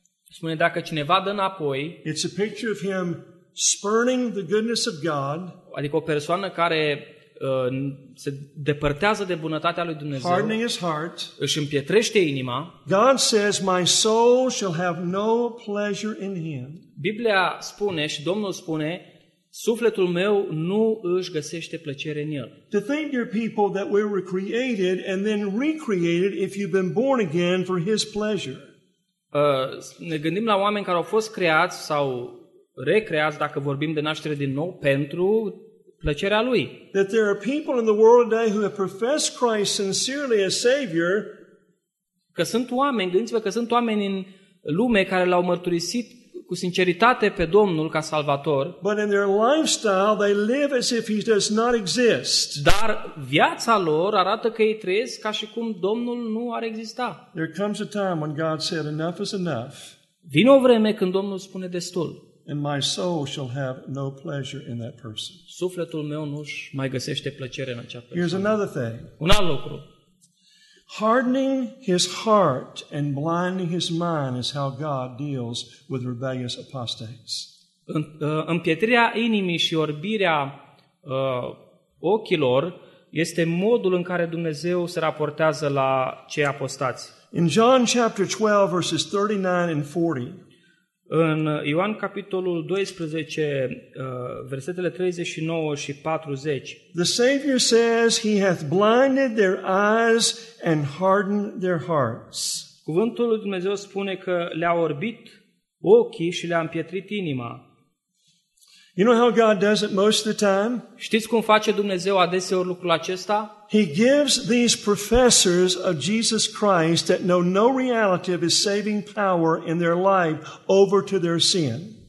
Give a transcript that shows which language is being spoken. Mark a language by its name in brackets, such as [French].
[Romanian] spune dacă cineva dă înapoi, [English] it's a picture of him spurning the goodness of God. [Romanian] Adică o persoană care se depărtează de bunătatea lui Dumnezeu. [English] Hardening his heart, [Romanian] își împietrește inima. [English] God says my soul shall have no pleasure in him. [Romanian] Biblia spune și Domnul spune sufletul meu nu își găsește plăcere în el. [English] To think, dear people, that we were created and then recreated if you've been born again for his pleasure. [Romanian] Ne gândim la oameni care au fost creați sau recreați, dacă vorbim de naștere din nou, pentru plăcerea lui. [English] That there are people in the world today who have professed Christ sincerely as Savior. [Romanian] Că sunt oameni, gândiți-vă că sunt oameni în lume care l-au mărturisit cu sinceritate pe Domnul ca Salvator. [English] But in their lifestyle they live as if he does not exist. [Romanian] Dar viața lor arată că ei trăiesc ca și cum Domnul nu ar exista. [English] There comes a time when God said enough is enough. [Romanian] Vine o vreme când Domnul spune destul. [English] And my soul shall have no pleasure in that person. [Romanian] Sufletul meu nu își mai găsește plăcere în acea persoană. [English] Here's another thing. [Romanian] Un alt lucru. [English] Hardening his heart and blinding his mind is how God deals with rebellious apostates. [Romanian] Împietrirea inimii și orbirea ochilor este modul în care Dumnezeu se raportează la cei apostați. [English] In John chapter 12 verses 39 and 40. [Romanian] În Ioan capitolul 12, versetele 39 și 40. [English] The Savior says he hath blinded their eyes and hardened their hearts. [Romanian] Cuvântul lui Dumnezeu spune că le-a orbit ochii și le-a împietrit inima. [English] You know how God does it most of the time? [Romanian] Știți cum face Dumnezeu adeseori lucrul acesta? [English] He gives these professors of Jesus Christ that know no reality of his saving power in their life over to their sin.